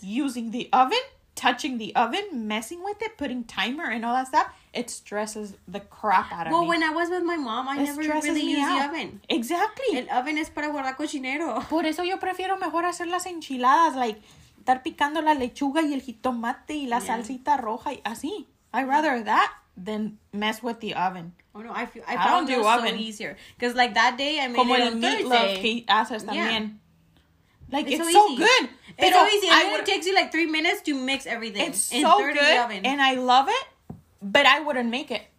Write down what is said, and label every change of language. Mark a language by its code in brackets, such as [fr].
[en] using the oven, touching the oven, messing with it, putting timer and all that stuff, it stresses the crap out of me. Well, when I was with my mom, I never really used the oven. Exactly. [es] El oven es para guardar cochinero. Por eso yo prefiero mejor hacer las enchiladas, like estar picando la lechuga y el jitomate y la salsita roja y así. [en] I'd rather that than mess with the oven. Oh, no, I found it so easier. Because, like, that day, I made [es] como [en] it on Thursday. [es] Como el meatloaf que haces también. [en] Yeah. Like, it's so good. It's so easy. It takes you, like, 3 minutes to mix everything. It's so good. And I love it, but I wouldn't make it.